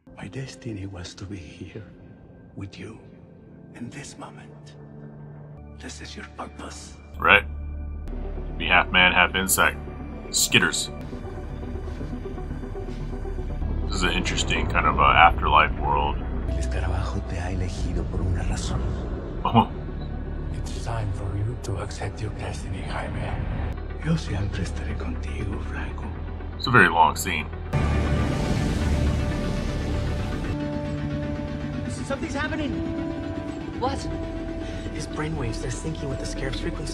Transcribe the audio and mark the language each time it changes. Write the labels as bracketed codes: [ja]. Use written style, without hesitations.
[en] My destiny was to be here with you in this moment. This is your purpose. Right. Be half man, half insect. Skitters. This is an interesting kind of afterlife world. [es] El escarabajo te ha elegido por una razón. [en] Time for you to accept your destiny, Jaime. [es] Yo siempre estaré contigo, Franco. [en] It's a very long scene. Something's happening. What? His brainwaves, they're syncing with the Scarab's frequency.